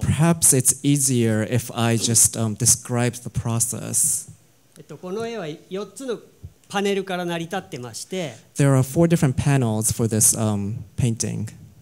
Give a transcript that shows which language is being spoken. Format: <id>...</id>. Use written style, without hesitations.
<en>Perhaps it's easier if I just describe the process.</en> <ja>この絵は4つのパネルから成り立ってまして。</ja> <en>There are four different panels for this painting.</en>